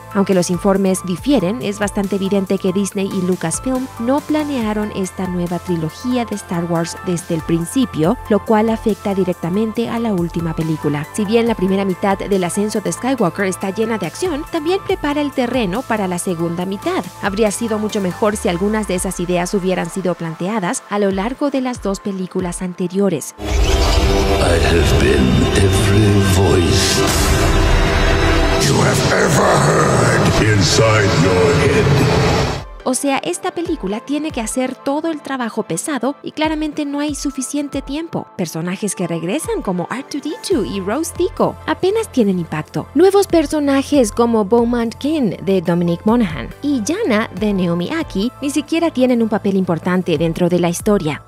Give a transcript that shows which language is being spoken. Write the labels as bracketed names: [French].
[Spanish] Aunque los informes difieren, es bastante evidente que Disney y Lucasfilm no planearon esta nueva trilogía de Star Wars desde el principio, lo cual afecta directamente a la última película. Si bien la primera mitad del ascenso de Skywalker está llena de acción, también prepara el terreno para la segunda mitad. Habría sido mucho mejor si algunas de esas ideas hubieran sido planteadas a lo largo de las dos películas anteriores. [English] I have been every voice you have ever heard inside your head. [Spanish] O sea, esta película tiene que hacer todo el trabajo pesado y claramente no hay suficiente tiempo. Personajes que regresan como R2-D2 y Rose Tico apenas tienen impacto. Nuevos personajes como Beaumont Kin de Dominic Monaghan y Janna de Naomi Aki ni siquiera tienen un papel importante dentro de la historia.